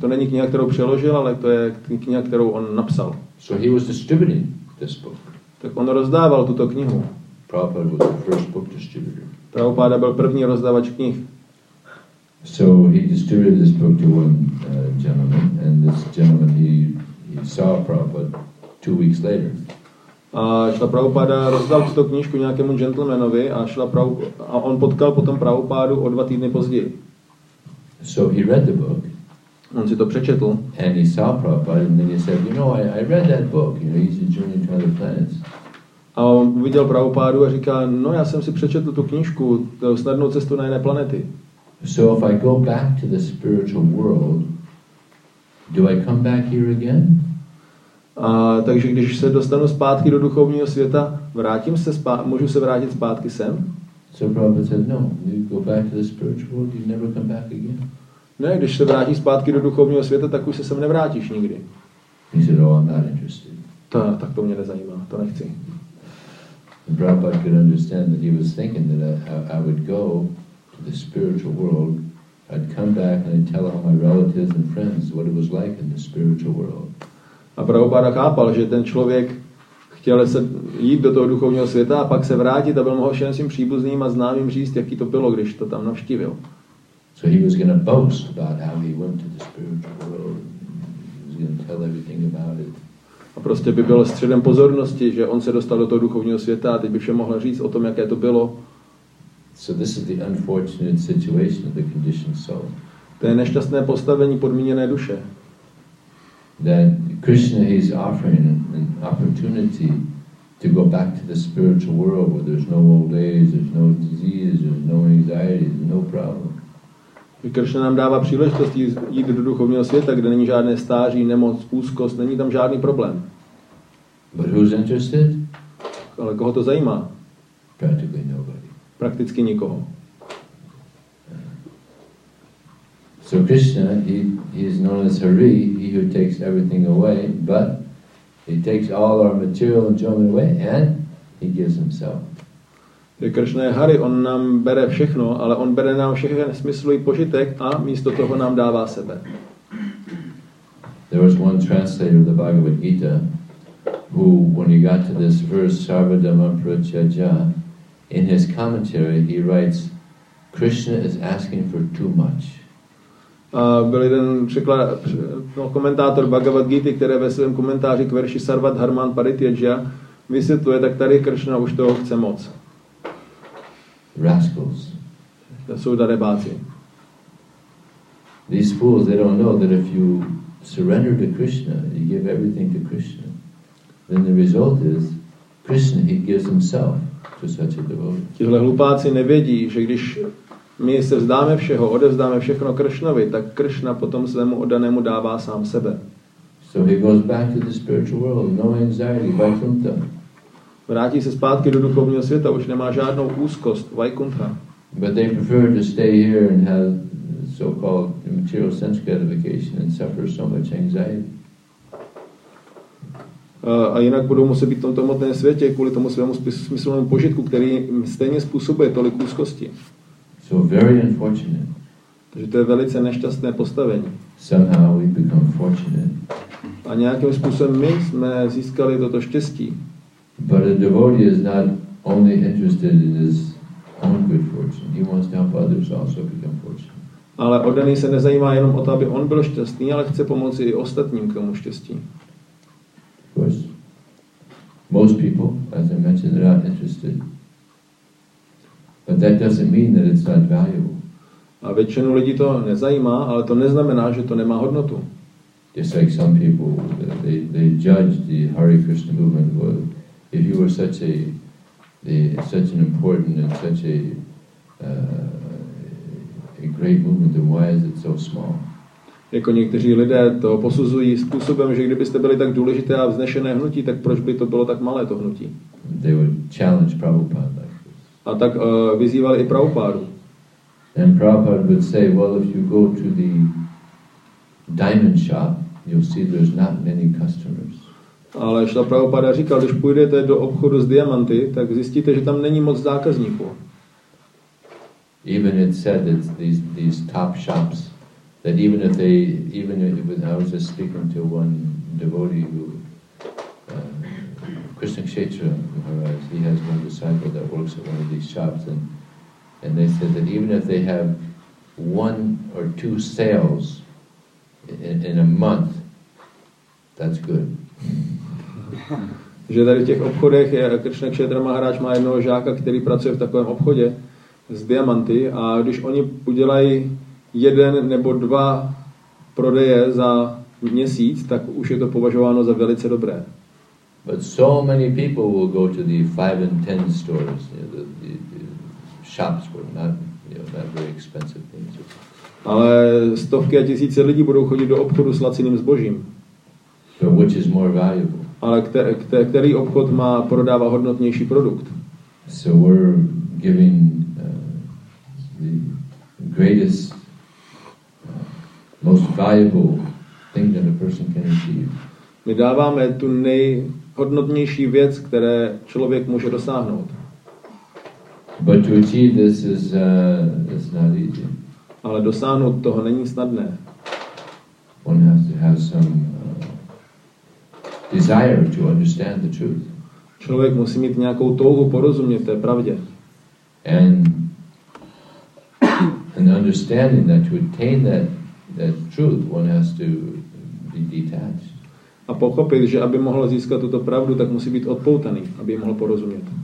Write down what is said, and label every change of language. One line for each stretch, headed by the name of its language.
Czech: To není kniha, kterou přeložil, ale to je kniha, kterou on napsal.
English: So he was distributing this book.
Czech: Tak on rozdával tuto knihu.
English: Prabhupada was the first book distributor.
Czech: Prabhupada byl první rozdávač knih.
English: So he distributed this book to one gentleman, and this gentleman he saw Prabhupada 2 weeks later.
Czech: A Šila Prabhupada rozdal tuto knížku nějakému gentlemanovi a on potkal potom Prabhupádu o 2 týdny později.
English: So he read the book.
Czech: On si to přečetl.
English: And he saw Prabhupada and then he said, you know, I read that book, you know, Easy Journey to Other Planets.
Czech: A on viděl Prabhupádu a říká, no já jsem si přečetl tu knížku, Snadnou cestu na jiné planety.
English: So if I go back to the spiritual world, do I come back here again?
Czech: A takže když se dostanu zpátky do duchovního světa, vrátím se zpátky, můžu se vrátit zpátky sem?
English: So Prabhupada said, no, you go back to the spiritual world, you never come back again.
Czech: Ne, když se vrátíš zpátky do duchovního světa, tak už se sem nevrátíš nikdy.
English: He said, oh, I'm not interested.
Czech: Tak to mě nezajímá, to nechci.
English: And Prabhupada could understand that he was thinking that I would go to the spiritual world, I'd come back and I'd tell all my relatives and friends what it was like in the spiritual world.
Czech: A Prabhupada chápal, že ten člověk chtěl se jít do toho duchovního světa a pak se vrátit, aby mohl všem svým příbuzným a známým říct, jaký to bylo, když to tam navštívil.
English: So he was going to boast about how he went to the spiritual world. He was going to tell everything about it.
Czech: A prostě by byl středem pozornosti, že on se dostal do toho duchovního světa a teď by všem mohl říct o tom, jaké to bylo.
English: So this is the unfortunate situation of the conditioned soul.
Czech: To je nešťastné postavení podmíněné duše.
English: That Krishna is offering an opportunity to go back to the spiritual world where there's no old age, there's no disease, there's no anxiety, there's no problem.
Czech: Krishna nám dává příležitost jít do duchovního světa, kde není žádné stáří, nemoc, úzkost, není tam žádný problém.
English: But who's interested?
Czech: Ale koho to zajímá?
English: Practically nobody.
Czech: Prakticky nikoho.
English: So Krishna, he is known as Hari, he who takes everything away, but he takes all our material enjoyment away and he gives himself.
Czech: Krishna je Hari, on nám bere všechno, ale on bere nám všechen smyslový požitek a místo toho nám dává sebe.
English: There was one translator of the Bhagavad Gita who, when he got to this verse, Sarvadhamam Prachyaja, in his commentary he writes, Krishna is asking for too much.
Czech: Byl jeden komentátor Bhagavad Gita, který ve svém komentáři k verši Sarvadharman Parityajya vysvětluje, tak tady Krishna už toho chce moc.
English: Rascals.
Czech: To jsou darebáci.
English: These fools, they don't know that if you surrender to Krishna, you give everything to Krishna, then the result is Krishna, he gives himself to such a devotee.
Czech: Tihle hlupáci nevědí, že když my se vzdáme všeho, odevzdáme všechno Kršnovi, tak Kršna potom svému oddanému dává sám sebe.
English: So he goes back to the spiritual world, no anxiety, Vaikuntha.
Czech: Vrátí se zpátky do duchovního světa, už nemá žádnou úzkost, Vaikuntha.
English: But they prefer to stay here and have so-called material sense gratification and suffer so much anxiety.
Czech: A jinak budou muset být v tomto hmotném světě kvůli tomu svému smyslovému požitku, který stejně způsobuje tolik úzkosti.
English: So very unfortunate.
Czech: Takže to je velice nešťastné postavení.
English: Somehow we become fortunate.
Czech: A nějakým způsobem my jsme získali toto štěstí.
English: But a devotee is not only interested in his own good fortune. He wants to help others also become fortunate.
Czech: Ale oddaný se nezajímá jenom o to, aby on byl šťastný, ale chce pomoci i ostatním k tomu štěstí.
English: Of course, most people, as I mentioned, are not interested. But that doesn't mean that it's not valuable.
Czech: A většinu lidí to nezajímá, ale to neznamená, že to nemá hodnotu.
English: Just like some people, they judge the Hare Krishna movement. Well, if you were such an important and such a great movement, then why is it so small?
Czech: Jako někteří lidé to posuzují způsobem, že kdybyste byli tak důležité a vznešené hnutí, tak proč by to bylo tak malé to hnutí?
English: They would challenge Prabhupada.
Czech: A tak vyzývali i Prabhupádu.
English: And Prabhupada would say, well, if you go to the diamond shop, you'll see there's not many customers.
Czech: Ale Šla Prabhupada říkal, když půjdete do obchodu s diamanty, tak zjistíte, že tam není moc zákazníků.
English: Even it said that these top shops, that even if they, even if I was just speaking to one devotee who Krishna Kshetra Maharaj, he has one disciple that works at one of these shops, and they said that even if they have one or two sales in a month, that's good.
Czech: Že tady v těch obchodech je Krishna Kshetra Maharaj má jednoho žáka, který pracuje v takovém obchodě s diamanty, a když oni udělají jeden nebo dva prodeje za měsíc, tak už je to považováno za velice dobré.
English: But so many people will go to the 5 and 10 stores, you know, the shops were not, you know, not very expensive things.
Czech: Ale stovky a tisíce lidí budou chodit do obchodu s laciným zbožím.
English: So which is more valuable?
Czech: Ale který obchod má prodává hodnotnější produkt?
English: So we're giving the greatest, most valuable thing that a person can achieve.
Czech: My dáváme tu nejhodnotnější věc, které člověk může dosáhnout.
English: But to achieve this is not easy.
Czech: Ale dosáhnout toho není snadné.
English: One has to have some desire to understand the truth.
Czech: Člověk musí mít nějakou touhu porozumět té pravdě.
English: And understanding that to attain that truth, one has to be detached.
Czech: A pochopit, že aby mohl získat tuto pravdu, tak musí být odpoutaný, aby ji mohl porozumět.